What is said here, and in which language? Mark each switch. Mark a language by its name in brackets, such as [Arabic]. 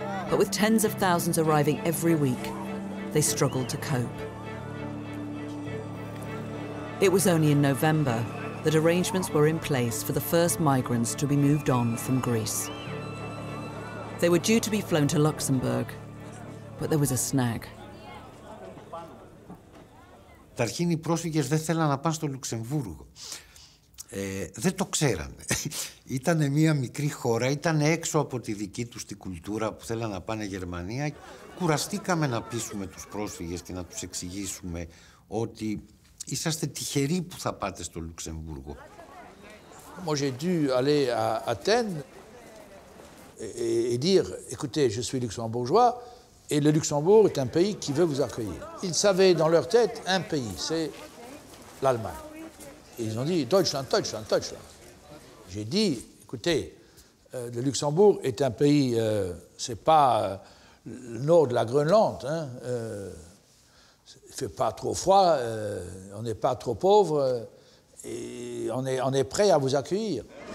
[English] But with tens of thousands arriving every week, they struggled to cope. It was only in November that arrangements were in place for the first migrants to be moved on from Greece. They were due to be flown to Luxembourg, but there was a snag. [Greek] Τα αρχήν οι πρόσφυγες δεν θέλαν να πάνε στο Λουξεμβούργο. Δεν το ξέρανε. Ήταν μια μικρή χώρα, ήταν έξω από τη δική τους την κουλτούρα που θέλαν να πάνε Γερμανία. Κουραστήκαμε να πείσουμε τους πρόσφυγες και να τους εξηγήσουμε ότι είσαστε τυχεροί που θα πάτε στο Λουξεμβούργο. [French] Moi j'ai dû aller à Athènes et dire, écoutez, je suis luxembourgeois. Et le Luxembourg est un pays qui veut vous accueillir. Ils savaient dans leur tête un pays, c'est l'Allemagne. Et ils ont dit « Deutschland, Deutschland, Deutschland ». J'ai dit « Écoutez, le Luxembourg est un pays, c'est pas le nord de la Groenland, hein, il fait pas trop froid, on n'est pas trop pauvre, et on est prêt à vous accueillir ».